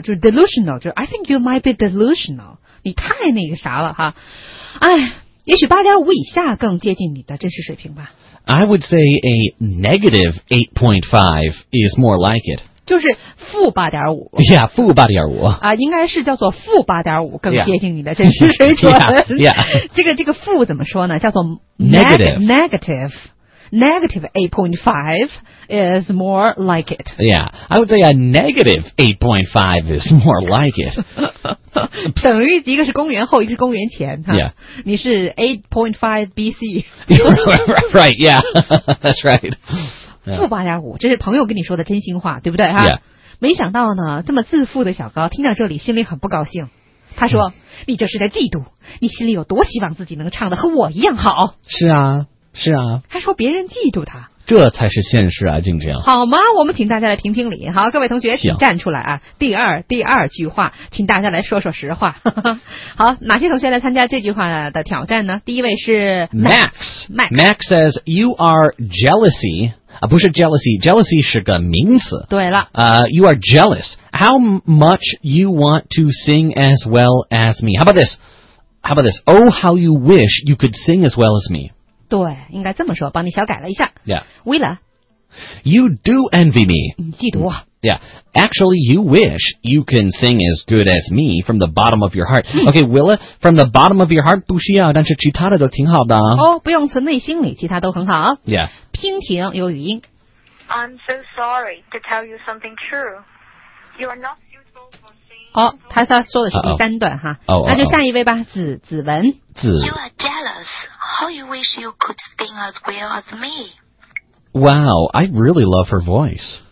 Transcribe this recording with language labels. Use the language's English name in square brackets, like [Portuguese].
[English] 就是 delusional, 就 I think you might be delusional. [Chinese] 你太那个啥了哈。哎也许 8.5 以下更接近你的真实水平吧。 [English] I would say a negative 8.5 is more like it. [Chinese] 就是负 8.5 yeah, 负 8.5 啊，应该是叫做负 8.5 更接近你的真实水准 [English] yeah. [Chinese] 这个负怎么说呢叫做 [English] negative 8.5 is more like it yeah, I would say a negative 8.5 is more like it [Chinese] 等于一个是公元后一个是公元前 [English] yeah. [Chinese] 你是 8.5 BC [English] right, yeah, that's right [Chinese] 负 8.5 这是朋友跟你说的真心话对不对哈、 [English] yeah. [Chinese] 没想到呢这么自负的小高听到这里心里很不高兴他说、嗯、你这是在嫉妒你心里有多希望自己能唱得和我一样好是啊是啊还说别人嫉妒他这才是现实啊静静好吗我们请大家来评评理好各位同学请站出来啊第二句话请大家来说说实话好哪些同学来参加这句话的挑战呢第一位是 Max [English] says you are jealousy [Chinese] 不是 [English] jealousy [Chinese] 是个名词对了、 [English] you are jealous how much you want to sing as well as me how about this oh how you wish you could sing as well as me [Chinese] 对应该这么说帮你小改了一下 [English] yeah Willa you do envy me [Chinese] 你嫉妒我 [English] yeah actually you wish you can sing as good as me from the bottom of your heart、嗯、okay Willa from the bottom of your heart [Chinese] 不需要但是其他的都挺好的哦不用存内心里其他都很好 [English] yeah [Chinese] 蜻蜓有语音 [English] I'm so sorry to tell you something true You are not suitable for singing [Chinese] 哦他说的是第三段哈、 [English] Uh-oh. [Chinese] 那就下一位吧子文子 [English] You are jealous How you wish you could sing as well as me Wow I really love her voice